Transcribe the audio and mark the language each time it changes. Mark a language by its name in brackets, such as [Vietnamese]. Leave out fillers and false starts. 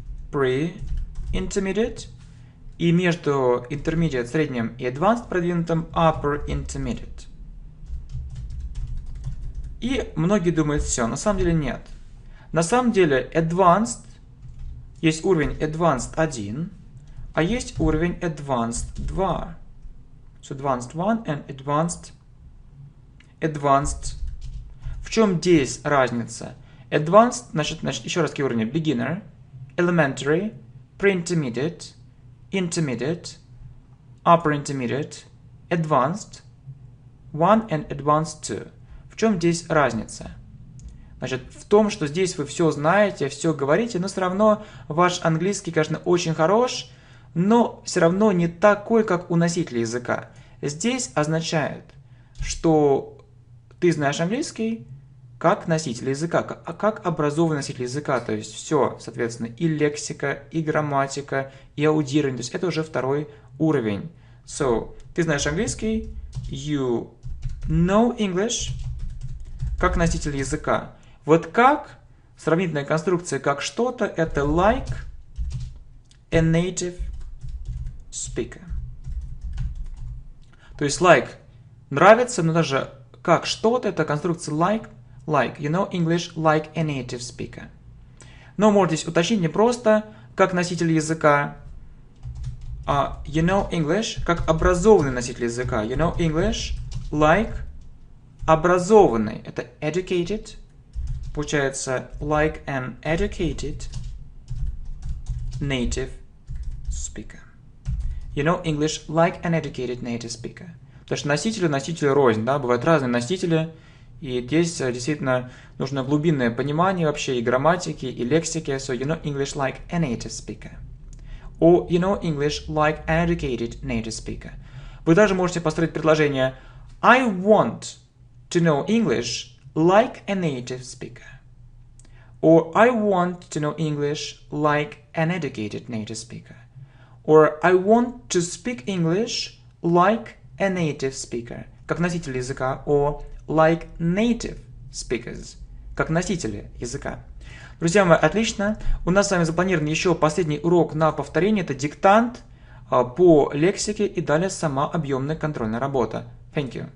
[Russian] Pre-intermediate. И между intermediate, средним и advanced, продвинутым, upper intermediate. И многие думают, все, на самом деле нет. На самом деле advanced, есть уровень advanced 1, а есть уровень advanced 2. [English] So advanced 1 and advanced advanced. [Russian] В чем здесь разница? Advanced, значит, еще раз уровни. [English] Beginner, elementary, pre-intermediate, intermediate, upper intermediate, advanced, one and advanced two. [Russian] В чем чем здесь разница? Значит, в том, что здесь вы все знаете, все говорите, но все равно ваш английский, конечно, очень хорош, но все равно не такой, как у носителей языка. Здесь означает, что ты знаешь английский как носитель языка, а как образованный носитель языка, то есть все, соответственно, и лексика, и грамматика, и аудирование, то есть это уже второй уровень. So, ты знаешь английский, [English] you know English, [Russian] как носитель языка. Вот как, сравнительная конструкция, как что-то, это [English] like a native speaker. [Russian] То есть [English] like [Russian] нравится, но даже как что-то, это конструкция [English] like, like, you know English like a native speaker. [Russian] Но можете здесь уточнить не просто как носитель языка, а [English] you know English [Russian] как образованный носитель языка. [English] You know English like [Russian] образованный, это [English] educated. [Russian] Получается, [English] like an educated native speaker. You know English like an educated native speaker. [Russian] Потому что носители, носители рознь, да, бывают разные носители. И здесь действительно нужно глубинное понимание вообще и грамматики, и лексики. [English] So, you know English like a native speaker. Or, you know English like an educated native speaker. [Russian] Вы даже можете построить предложение [English] I want to know English like a native speaker. Or, I want to know English like an educated native speaker. Or, I want to speak English like a native speaker. [Russian] Как носитель языка. [English] Or, like native speakers. [Russian] Как носители языка. Друзья мои, отлично. У нас с вами запланирован еще последний урок на повторение. Это диктант по лексике и далее сама объемная контрольная работа. [English] Thank you.